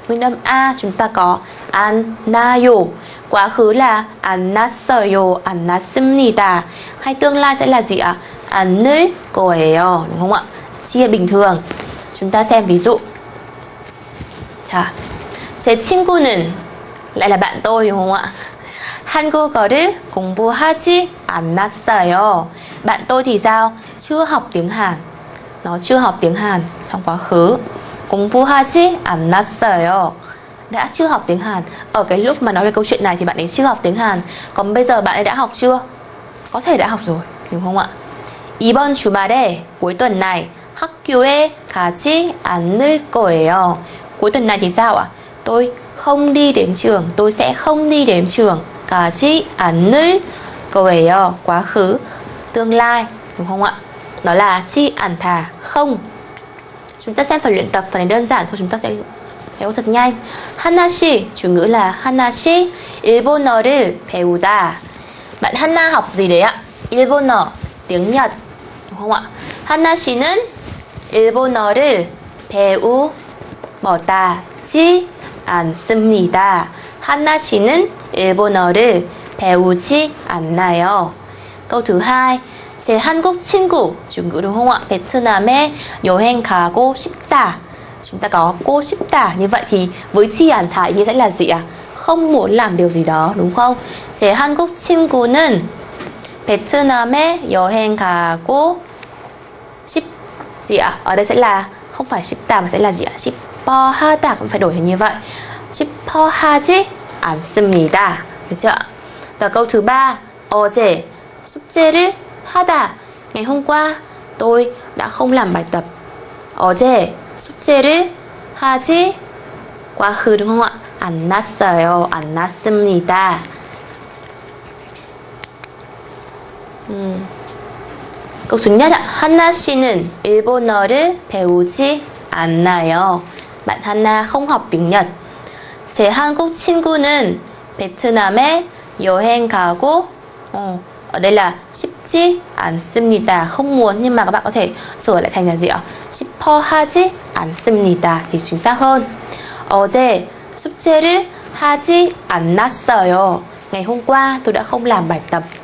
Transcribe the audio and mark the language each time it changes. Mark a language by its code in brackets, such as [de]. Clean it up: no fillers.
[vi] Nguyên âm a chúng ta có [ko] an na yo. [vi] Quá khứ là [ko] an na sơ yo, an na sim ni ta. [vi] Hay tương lai sẽ là gì ạ? An nữ cô ấy yo, đúng không ạ? Chia bình thường. Chúng ta xem ví dụ. Chà, [ko] 제 친구는 [vi] lại là bạn tôi đúng không ạ? [ko] 한국어를 공부하지 않았어요. [vi] Bạn tôi thì sao? Chưa học tiếng Hàn. Nó chưa học tiếng Hàn trong quá khứ. [ko] 공부하지 않았어요. [vi] Đã chưa học tiếng Hàn. Ở cái lúc mà nói về câu chuyện này thì bạn ấy chưa học tiếng Hàn. Còn bây giờ bạn ấy đã học chưa? Có thể đã học rồi, đúng không ạ? [ko] 이번 주말에 [vi] cuối tuần này [ko] 학교에 가지 않을 거예요. [vi] Cuối tuần này thì sao ạ? Tôi không đi đến trường. Tôi sẽ không đi đến trường. [ko] 가지 않을 거예요. [vi] Quá khứ, tương lai, đúng không ạ? Đó là 지 않다, không. Chúng ta xem phần luyện tập, phần này đơn giản thôi, chúng ta sẽ hiểu thật nhanh. 하나 씨, chủ ngữ là 하나 씨, [ko] 일본어를 배우다. [vi] Bạn 하나 học gì đấy ạ? 일본어, tiếng Nhật, đúng không ạ? [ko] 하나 씨는 일본어를 배우지 않습니다. 하나 씨는 일본어를 배우지 않나요? [vi] Câu thứ hai, [ko] 제 한국 친구, [vi] chủ ngữ đúng không ạ? [ko] 베트남에 여행 가고 싶다. [vi] Chúng ta có 고 싶다. Như vậy thì với 지 않다 ý nghĩa sẽ là gì ạ? Không muốn làm điều gì đó, đúng không? [ko] 제 한국 친구는 베트남에 여행 가고 싶 [vi] gì ạ? Ở đây sẽ là không phải 싶다 mà sẽ là gì ạ? [ko] 싶어 하다, [vi] cũng phải đổi thành như vậy. [ko] 싶어 하지 않습니다. [vi] Được chưa? Và câu thứ ba, [ko] 어제 숙제를 하다. [vi] Ngày hôm qua tôi đã không làm bài tập. [ko] 어제 숙제를 하지 [vi] quá khứ đúng không ạ? [ko] 않았어요. 않았습니다. [vi] Câu thứ nhất ạ. [ko] 하나 씨는 일본어를 배우지 않나요? [vi] Bạn 하나 không học tiếng Nhật. [ko] 제 한국 친구는 베트남에 여행 가고 [vi] ở đây là [ko] 싶지 않습니다, [vi] không muốn, nhưng mà các bạn có thể sửa lại thành là gì ạ? [ko] 싶어 하지 않습니다 [vi] thì chính xác hơn. [ko] 어제 숙제를 하지 않았어요. [vi] Ngày hôm qua tôi đã không làm bài tập.